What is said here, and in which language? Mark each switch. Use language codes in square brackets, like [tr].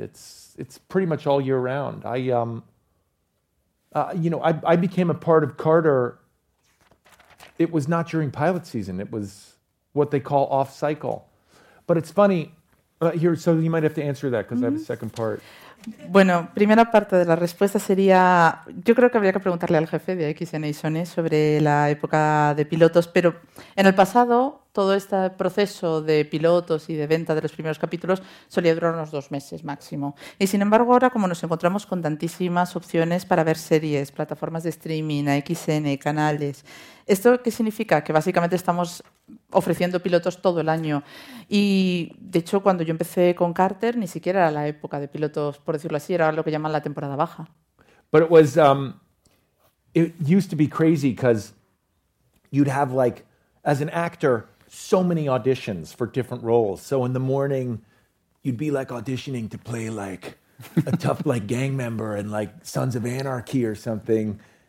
[en] It's pretty much all year round. I became a part of Carter. It was not during pilot season. It was what they call off cycle. But it's funny. So you might have to answer that because I have a second part. [es] Bueno, primera parte de la respuesta sería, yo creo que habría que preguntarle al jefe de AXN y Sony sobre la época de pilotos, pero en el pasado todo este proceso de pilotos y de venta de los primeros capítulos solía durar unos 2 meses máximo. Y sin embargo ahora, como nos encontramos con tantísimas opciones para ver series, plataformas de streaming, AXN, canales, ¿esto qué significa? Que básicamente estamos ofreciendo pilotos todo el año. Y de hecho cuando yo empecé con Carter ni siquiera era la época de pilotos, por decirlo así, era lo que llaman la temporada baja. [en] But it was it used to be crazy because you'd have like as an actor so many auditions for different roles. So in the morning you'd be like auditioning to play like a tough like gang member and like Sons of Anarchy or something.